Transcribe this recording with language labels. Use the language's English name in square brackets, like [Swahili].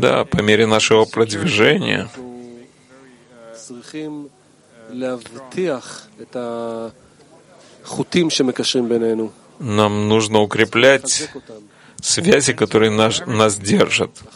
[Russian] Да, по мере нашего продвижения. [Hebrew] צריכים להבטיח את החוטים שמקשרים בינינו. [Russian] Нам нужно укреплять связи, которые нас держат.